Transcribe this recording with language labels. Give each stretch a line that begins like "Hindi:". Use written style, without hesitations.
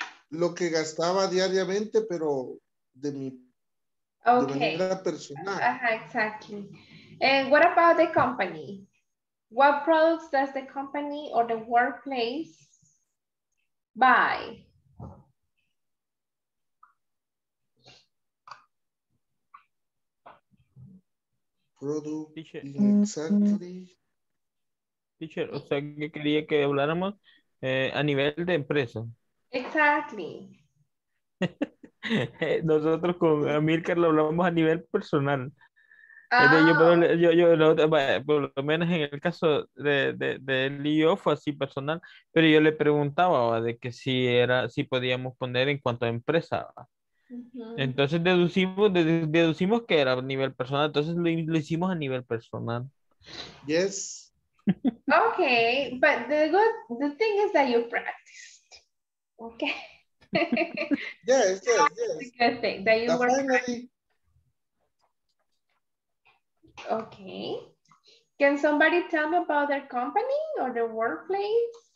Spanish: Lo que gastaba diariamente, pero de mi manera personal.
English: Exactly. And what about the company? What products does the company or the workplace buy? Product exactly.
Spanish: Teacher, o sea, que quería que habláramos a nivel de empresa.
English: Exactly.
Spanish: Nosotros con Amílcar lo hablamos a nivel personal. Yo, por lo menos en el caso del IO fue así personal, pero yo le preguntaba, ¿va?, de que si podíamos poner en cuanto a empresa. Uh-huh. Entonces deducimos que era a nivel personal, entonces lo hicimos a nivel personal.
English: Yes. Okay, but the thing is that you practiced. Okay. Yes. That's a good thing that you were. Okay. Can somebody tell me about their company or their workplace?